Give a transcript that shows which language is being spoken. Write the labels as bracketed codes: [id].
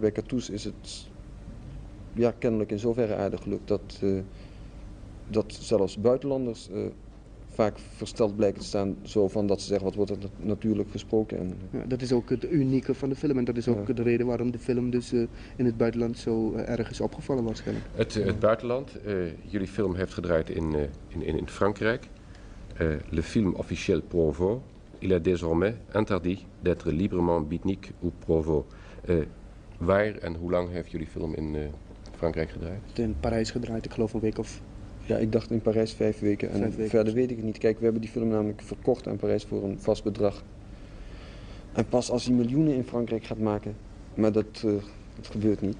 [nl] Bij Katouche is het ja, kennelijk in zoverre aardig gelukt dat zelfs buitenlanders vaak versteld blijken te staan. Zo van dat ze zeggen, wat wordt er natuurlijk gesproken. En, ja, dat is ook het unieke van de film en dat is ook de reden waarom de film dus in het buitenland zo erg is opgevallen waarschijnlijk. Het buitenland, jullie film heeft gedraaid in Frankrijk. [fr] Le film officiel Provo, il est désormais interdit d'être librement beatnik ou Provo. [nl] Waar en hoe lang heeft jullie film in Frankrijk gedraaid? In Parijs gedraaid, ik geloof een week of... Ja, ik dacht in Parijs 5 weken en verder weet ik het niet. Kijk, we hebben die film namelijk verkocht aan Parijs voor een vast bedrag. En pas als hij miljoenen in Frankrijk gaat maken, maar dat gebeurt niet.